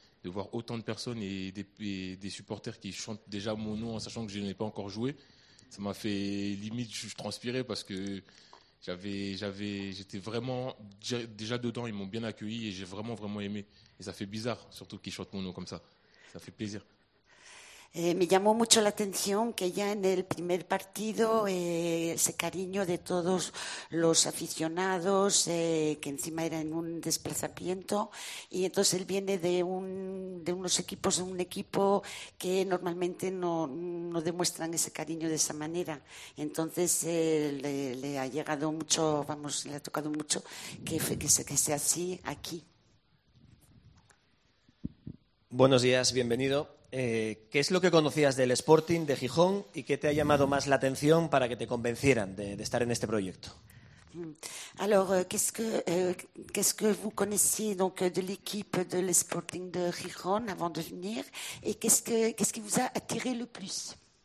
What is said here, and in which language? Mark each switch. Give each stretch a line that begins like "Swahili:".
French: De voir autant de personnes et des supporters qui chantent déjà mon nom en sachant que je n'ai pas encore joué, ça m'a fait limite, je transpirais parce que j'étais vraiment déjà dedans, ils m'ont bien accueilli et j'ai vraiment, vraiment aimé. Et ça fait bizarre, surtout qu'ils chantent mon nom comme ça. Ça fait plaisir.
Spanish: Me llamó mucho la atención que ya en el primer partido ese cariño de todos los aficionados, que encima era en un desplazamiento, y entonces él viene de un equipo que normalmente no demuestran ese cariño de esa manera. Entonces le ha llegado mucho, vamos, le ha tocado mucho que sea así aquí. Buenos días, bienvenido. ¿Qué es lo que conocías del Sporting de Gijón y qué te ha llamado más la atención para que te convencieran de estar en este proyecto?
French: Alors, qu'est-ce que vous connaissiez donc de l'équipe de l'Sporting de Gijón avant de venir et qu'est-ce qui vous a attiré le plus?